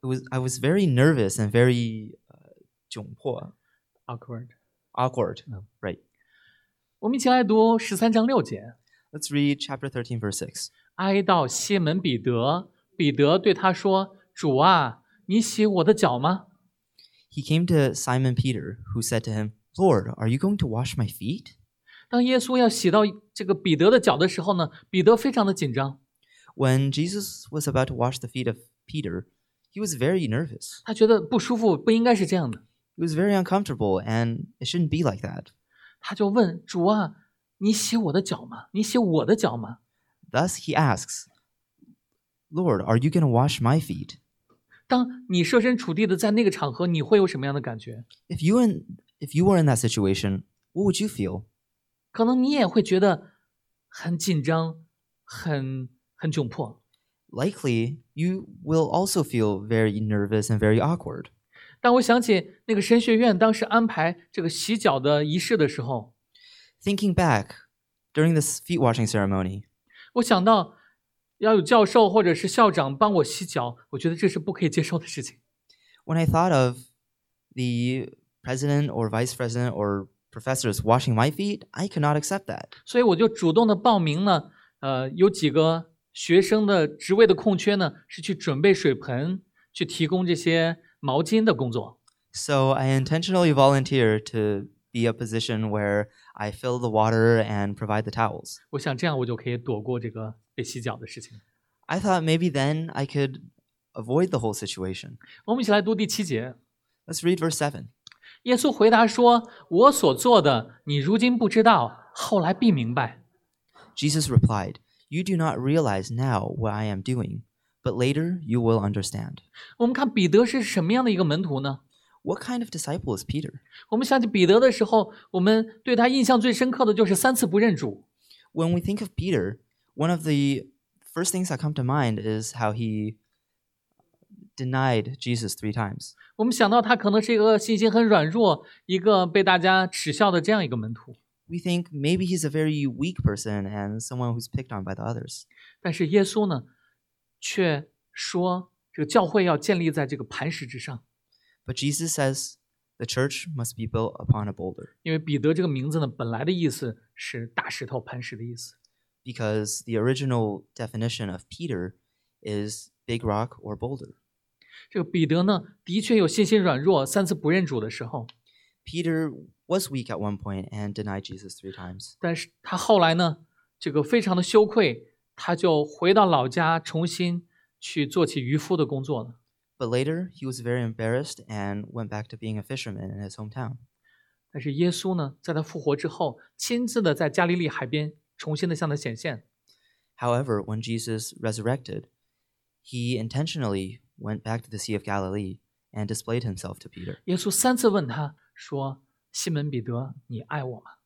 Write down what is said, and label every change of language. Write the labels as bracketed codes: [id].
[en] I was very nervous and very [zh] 窘迫。 [en] Awkward. Right. [zh] 我们一起来读十三章六节。 [en] Let's read chapter 13, verse 6. [zh] 哀悼西门彼得，彼得对他说：“主啊，你洗我的脚吗 [en] ？”He came to Simon Peter, who said to him, "Lord, are you going to wash my feet?" [zh] 当耶稣要洗到这个彼得的脚的时候呢，彼得非常的紧张。 [en] When Jesus was about to wash the feet of Peter, he was very nervous. [zh] 他觉得不舒服，不应该是这样的。 [en] He was very uncomfortable, and it shouldn't be like that. [zh] 他就问主啊，你洗我的脚吗？你洗我的脚吗 [en] ？Thus he asks, "Lord, are you going to wash my feet?" [zh] 当你设身处地的在那个场合，你会有什么样的感觉 [en] ？If you were in that situation, what would you feel? [zh] 可能你也会觉得很紧张，很窘迫。 [en] Likely, you will also feel very nervous and very awkward. [zh] 但我想起那个神学院当时安排这个洗脚的仪式的时候 [en] ，Thinking back during this feet washing ceremony， [zh] 我想到要有教授或者是校长帮我洗脚，我觉得这是不可以接受的事情。 [en] When I thought of the president or vice president or professors washing my feet, I could not accept that. [zh] 所以我就主动的报名了，有几个学生的职位的空缺呢，是去准备水盆，去提供这些毛巾的工作。 [en] So I intentionally volunteered to be a position where I fill the water and provide the towels. [zh] 我想这样我就可以躲过这个被洗脚的事情。 [en] I thought maybe then I could avoid the whole situation. [zh] 我们一起来读第七节。 [en] Let's read verse 7. [zh] 耶稣回答说：“我所做的，你如今不知道，后来必明白。” [en] Jesus replied, "You do not realize now what I am doing. But later, you will understand. [zh] 我们看彼得是什么样的一个门徒呢 [en] ？What kind of disciple is Peter? [zh] 我们想起彼得的时候，我们对他印象最深刻的就是三次不认主。 [en] When we think of Peter, one of the first things that come to mind is how he denied Jesus three times. [zh] 我们想到他可能是一个信心很软弱、一个被大家耻笑的这样一个门徒。 [en] We think maybe he's a very weak person and someone who's picked on by the others. [zh] 但是耶稣呢？却说这个教会要建立在这个磐石之上。 [en] But Jesus says the church must be built upon a boulder. [zh] 因为彼得这个名字呢，本来的意思是大石头、磐石的意思。 [en] Because the original definition of Peter is big rock or boulder. [zh] 这个彼得呢，的确有信心软弱、三次不认主的时候。 [en] Peter was weak at one point and denied Jesus three times. [zh] 但是他后来呢，这个非常的羞愧。他就回到老家，重新去做起渔夫的工作了。 [en] But later, he was very embarrassed and went back to being a fisherman in his hometown. [zh] 但是耶稣呢，在他复活之后，亲自的在加利利海边重新的向他显现。 [en] However, when Jesus resurrected, he intentionally went back to the Sea of Galilee and displayed himself to Peter. [zh] 耶稣三次问他说：“西门彼得，你爱我吗